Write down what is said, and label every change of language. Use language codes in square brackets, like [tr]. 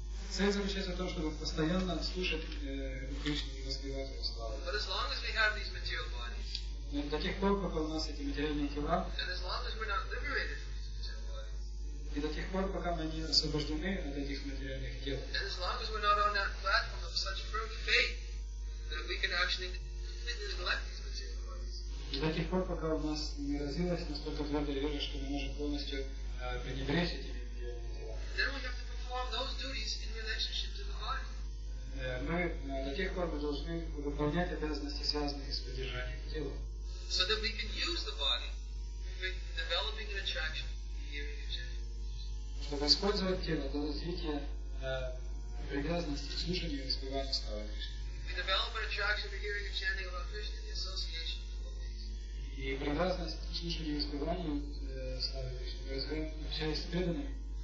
[ru] Цель заключается в том, чтобы постоянно слушать Кришну и воспевать Его славу. [en] But as long as we have these material bodies, [ru] до тех пор, пока у нас эти материальные тела, [en] and as long as we're not liberated from these material bodies, [ru] и до тех пор, пока мы не освобождены от этих материальных тел, [en] and as long as we're not on that platform of such firm faith that we can actually completely neglect these material bodies, [ru] и до тех пор, пока у нас не развилась настолько твердая вера, что мы можем полностью пренебречь этими материальными телами, [en] those duties in relationship to the body. [ru] Мы до тех пор должны выполнять обязанности, [en] so that we can use the body for developing an attraction to hearing and chanting. [ru] Чтобы использовать тело для развития привязанности к слушанию и воспеванию слова Кришны. [en] We develop an attraction to hearing and chanting about Krishna in the association of [ru] devotees. И привязанность к слушанию и воспеванию слова Кришны развиваем, общаясь с преданными.